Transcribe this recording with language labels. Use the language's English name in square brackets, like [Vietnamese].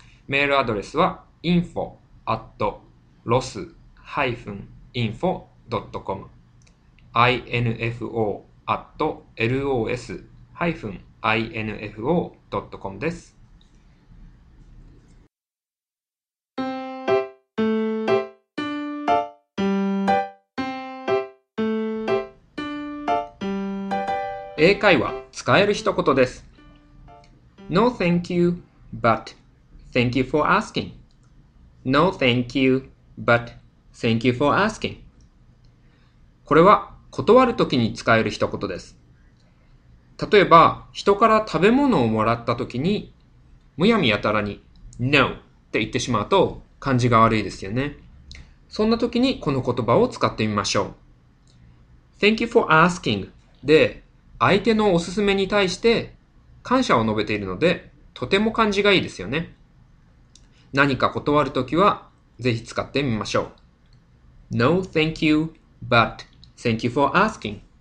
[Japanese] メールアドレスは info@los-info.com info@los-info.com です。英会話、使える一言です。 [English] No thank you, but thank you for asking. No thank you, but thank you for asking. [Japanese] これは断るときに使える一言です。例えば、人から食べ物をもらったときに、むやみやたらに No って言ってしまうと感じが悪いですよね。そんなときにこの言葉を使ってみましょう。 [English] Thank you for asking [Japanese] で、相手のおすすめに対して感謝を述べているので、とても感じがいいですよね。何か断るときは、ぜひ使ってみましょう。 [English] No thank you, but thank you for asking.